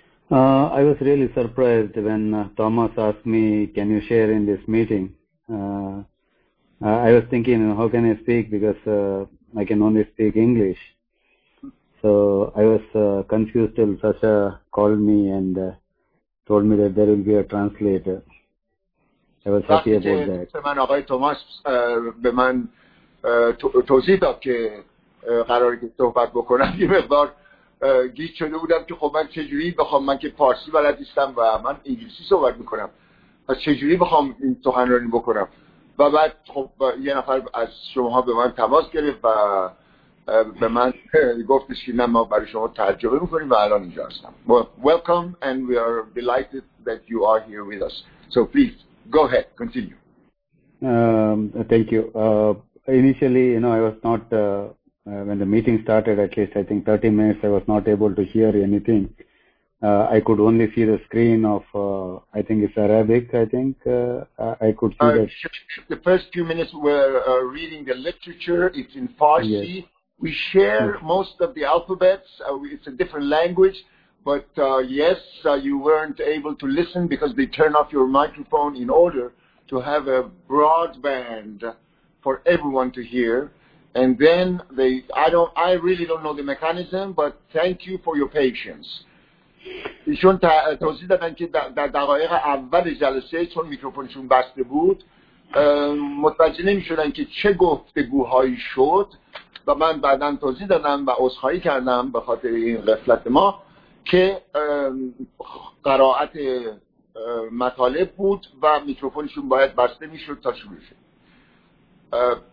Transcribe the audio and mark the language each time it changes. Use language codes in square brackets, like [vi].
[en] I was really surprised when Thomas asked me, can you share in this meeting? I was thinking, how can I speak, because I can only speak English. So I was confused till Sasha called me and told me that there will be a translator. I was happy about that. [fa] آقای توماس به من توضیح داد که قراری که صحبت بکنم یه مقدار گیج شده بودم که خب من چجوری بخوام، من که فارسی بلد نیستم و من انگلیسی صحبت میکنم، پس چجوری بخوام این سخنرانی بکنم. و بعد خب یه نفر از شماها به من تماس گرفت و به من گفتش که نه، ما برای شما ترجمه میکنیم و الان اینجا هستم. [en] Welcome and we are delighted that you are here with us. So please, go ahead, continue. Thank you. Initially, you know, I was not... when the meeting started, at least I think 30 minutes, I was not able to hear anything. I could only see the screen of, I think it's Arabic, I think. I could see that. The first few minutes were reading the literature. It's in Farsi. Yes. We share yes. most of the alphabets. It's a different language. But yes, you weren't able to listen because they turn off your microphone in order to have a broadband for everyone to hear. And then they, I really don't know the mechanism, but thank you for your patience. [fa] ایشون توضیح دادن که در دقایق اول جلسه چون میکروفونشون بسته بود متوجه نمیشدن که چه گفتگوهایی شد و من بعدا توضیح دادم و عذرخواهی کردم به خاطر این غفلت ما که قرائت مطالب بود و میکروفونشون باید بسته میشد تا شروع شد.